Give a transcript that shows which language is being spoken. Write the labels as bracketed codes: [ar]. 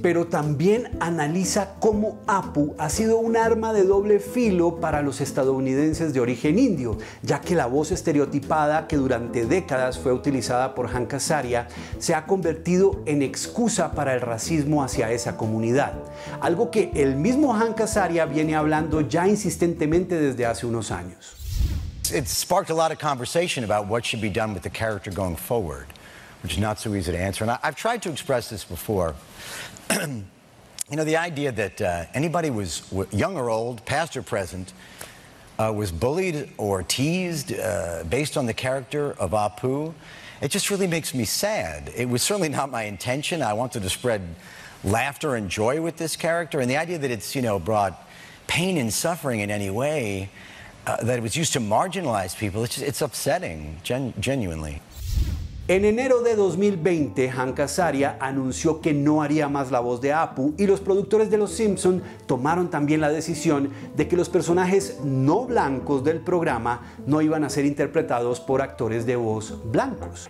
[es] Pero también analiza cómo Apu ha sido un arma de doble filo para los estadounidenses de origen indio, ya que la voz estereotipada que durante décadas fue utilizada por Hank Azaria se ha convertido en excusa para el racismo hacia esa comunidad, algo que el mismo Hank Azaria viene hablando ya insistentemente desde hace unos años. [en] It sparked a lot of conversation about what should be done with the character going forward, which is not so easy to answer. And I've tried to express this before. You know, the idea that anybody was young or old, past or present, was bullied or teased based on the character of Apu, it just really makes me sad. It was certainly not my intention. I wanted to spread laughter and joy with this character. And the idea that it's, you know, brought pain and suffering in any way, that it was used to marginalize people, it's upsetting, genuinely. [es] En enero de 2020, Hank Azaria anunció que no haría más la voz de Apu y los productores de Los Simpson tomaron también la decisión de que los personajes no blancos del programa no iban a ser interpretados por actores de voz blancos.